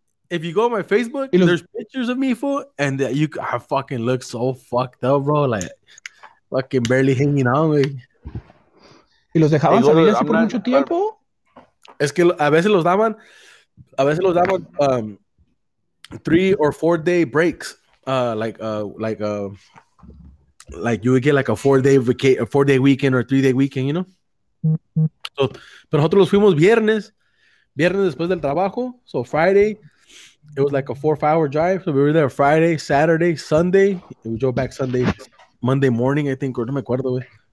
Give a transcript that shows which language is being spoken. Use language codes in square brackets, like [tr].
[en] If you go on my Facebook, there's pictures of me, fool, and I fucking look so fucked up, bro. Like, fucking barely hanging on, güey. [es] ¿Y los dejaban salir así por mucho tiempo? Es que a veces los daban [en] 3 or 4 day breaks. You would get like a four day weekend or 3 day weekend, you know? [es] So, pero nosotros los fuimos viernes después del trabajo. [en] So Friday, it was like a 4 or 5 hour drive. So we were there Friday, Saturday, Sunday, and we drove back Sunday, Monday morning, I think, or [es] no me acuerdo, güey.